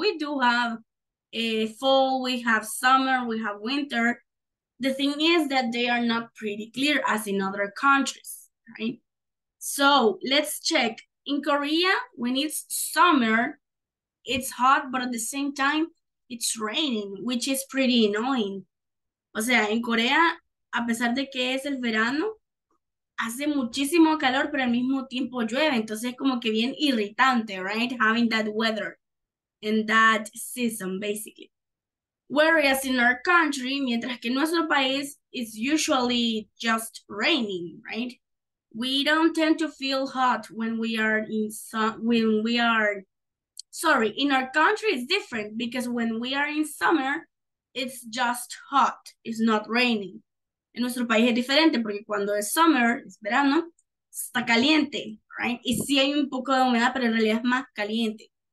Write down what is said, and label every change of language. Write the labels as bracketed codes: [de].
[en] We do have a fall, we have summer, we have winter. The thing is that they are not pretty clear as in other countries, right? So let's check. In Korea, when it's summer, it's hot, but at the same time, it's raining, which is pretty annoying. [es] O sea, [en] in Korea, [es] a pesar de que es el verano, hace muchísimo calor, pero al mismo tiempo llueve. Entonces, como que bien irritante, [en] right? Having that weather in that season, basically. Whereas in our country, [es] mientras que nuestro país, [en] it's usually just raining, right? We don't tend to feel hot when we are in in our country, it's different because when we are in summer, it's just hot. It's not raining. [es] En nuestro país es diferente porque cuando es summer, es verano, está caliente, right? Y sí hay un poco de humedad, pero en realidad es más caliente.